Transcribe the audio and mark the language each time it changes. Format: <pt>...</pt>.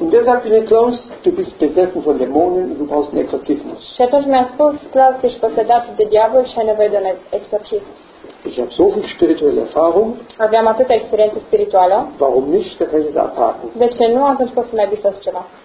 <de>Und der sagte mir, Klaus, du bist besessen von Dämonen und du brauchst einen Exorzismus.</de> <ro>Și atunci mi-a spus, Klaus, ești posedat de diavol și ai nevoie de un exorcism.</ro> <de>Ich habe so viel spirituelle Erfahrung.</de> <ro>Aveam atâta experiență spirituală.</ro> <de>Warum nicht? Da kann ich es abhaken.</de> <ro>De ce nu? Atunci poți să mai bifezi ceva.</ro>